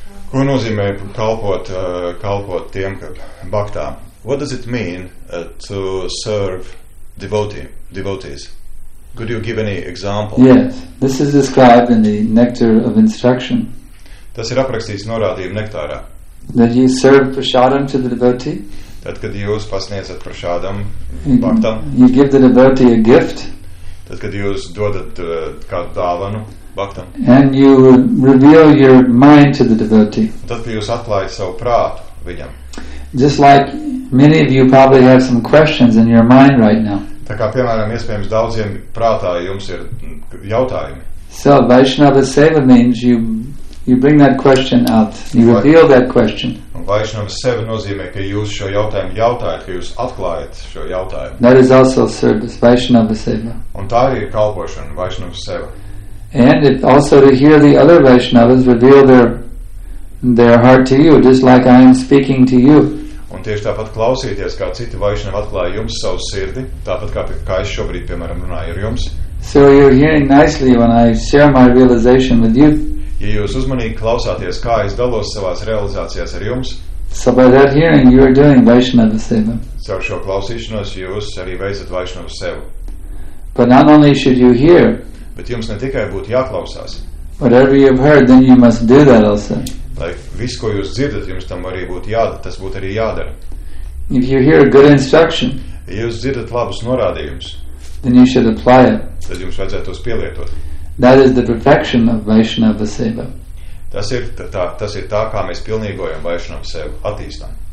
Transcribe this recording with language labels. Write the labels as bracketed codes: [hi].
[lv] Ko nozīmē kalpot tiem, ka baktā? [en] What does it mean to serve devotees? Could you give any example? Yes, this is described in the nectar of instruction. [lv] Tas ir aprakstīts norādījuma nektārā. [en] That you serve prasādam to the devotee. [lv] Tad, kad jūs pasniedzat prasādam baktam. [en] You give the devotee a gift. [lv] Tad, kad jūs dodat kādu dāvanu. [en] And you reveal your mind to the devotee. [lv] Tad, kad jūs atklājat savu prātu viņam. [en] Just like many of you probably have some questions in your mind right now. [lv] Tā kā, piemēram, iespējams daudziem prātā jums ir jautājumi. [en] So, Vaishnava Seva means you bring that question out. You reveal that question. [lv] Vaishnava Seva nozīmē, ka jūs šo jautājumu jautājat, ka jūs atklājat šo jautājumu. [en] That is also service, Vaishnava Seva. [lv] Un tā arī ir kalpošana, Vaishnava Seva. [en] And it also to hear the other Vaishnavas reveal their heart to you, just like I am speaking to you. [lv] Un tieši tāpat klausīties, kā citi vaišņi atklāja jums savu sirdi, tāpat kā, kā es šobrīd, piemēram, runāju ar jums. [en] So you're hearing nicely when I share my realization with you. [lv] Ja jūs uzmanīgi klausāties, kā es dalos savās realizācijās ar jums, [en] so by that hearing you are doing Vaishnava seva. [lv] Savu šo klausīšanos jūs arī veicat Vaishnava sevu. [en] But not only should you hear, [lv] bet jums ne tikai būtu jāklausās. [en] Whatever you have heard, then you must do that also. [lv] Lai visu, ko jūs dzirdat, jums tam arī būtu jādara, tas būtu arī jādara. [en] If you hear a good instruction, [lv] ja jūs dzirdat labus norādījumus, [en] then you should apply it. [lv] Tad jums vajadzētu tos pielietot. [en] That is the perfection of Vaishnava seva. [lv] Tas ir tā, kā mēs pilnīgojam Vaishnava sevu, attīstam.